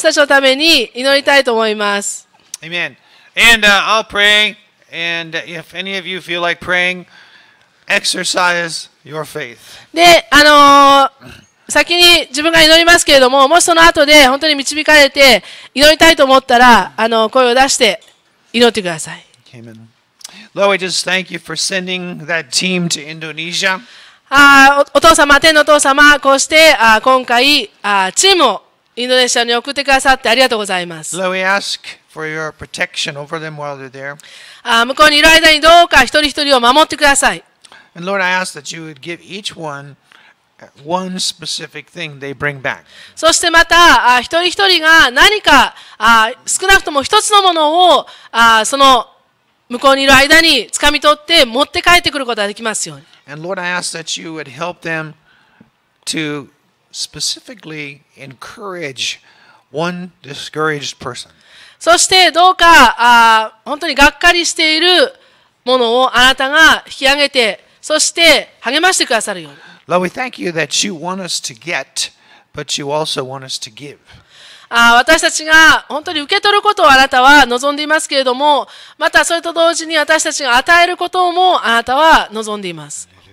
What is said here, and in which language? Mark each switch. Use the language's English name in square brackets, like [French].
[English] Amen. And I'll pray, and if any of you feel like praying, exercise your faith. [Japanese] で、先に自分が祈りますけれども、もしその後で本当に導かれて祈りたいと思ったら、声を出して祈ってください。 [English] Amen. Lord, we just thank you for sending that team to Indonesia. [Japanese] お父様、天のお父様、こうして今回チームをインドネシアに送ってくださってありがとうございます。 [English] Lord, we ask for your protection over them while they're there. [Japanese] 向こうにいる間にどうか一人一人を守ってください。 [English] And Lord, I ask that you would give each one one specific thing they bring back. [Japanese] そしてまた一人一人が何か少なくとも一つのものをその向こうにいる間に掴み取って持って帰ってくることができますように。 [English] And Lord, I ask that you would help them to specifically encourage one discouraged person. [Japanese] そしてどうか本当にがっかりしているものをあなたが引き上げて。そして励ましてくださるように。 [English] Lord, we thank you that you want us to get, but you also want us to give. [Japanese] 私たちが本当に受け取ることをあなたは望んでいますけれども、またそれと同時に私たちが与えることもあなたは望んでいます。